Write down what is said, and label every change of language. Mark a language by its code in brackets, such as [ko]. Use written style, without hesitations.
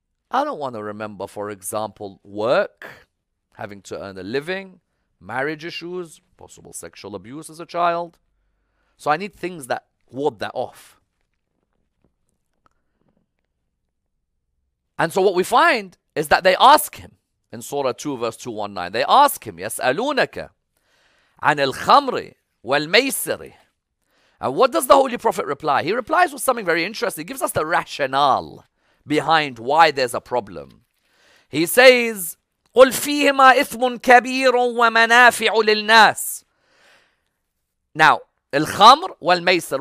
[en] I don't want to remember, for example, work, having to earn a living, marriage issues, possible sexual abuse as a child. So I need things that ward that off. And so what we find is that they ask him in Surah 2, verse 219. They ask him, [ar] يَسْأَلُونَكَ عَنِ الْخَمْرِ وَالْمَيْسِرِ. [en] And what does the Holy Prophet reply? He replies with something very interesting. He gives us the rationale behind why there's a problem. He says, [ar] قُلْ فِيهِمَا إِثْمٌ كَبِيرٌ وَمَنَافِعُ لِلنَّاسِ. [en] Now, [ar] الْخَمْرِ وَالْمَيْسِرِ.